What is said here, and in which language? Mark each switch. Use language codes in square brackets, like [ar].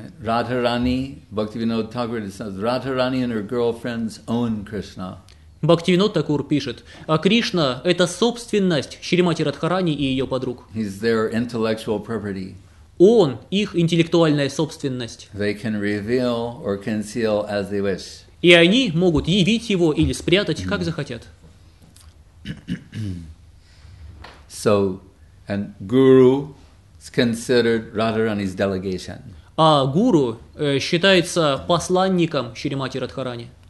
[en] Радхарани, Бхактивинода Тхакур says, Радхарани and her girlfriends own Krishna. [ru] Бхактивинода Тхакур пишет, а Кришна – это собственность Шримати Радхарани и ее подруг. [en] He's their intellectual property. [ru] Он – их интеллектуальная собственность. [en] They can reveal or conceal as they wish. [ru] И они могут явить его или спрятать, как захотят. [en] So, and guru is considered Radharani's delegation. [ru] А гуру считается посланником Шримати Радхарани.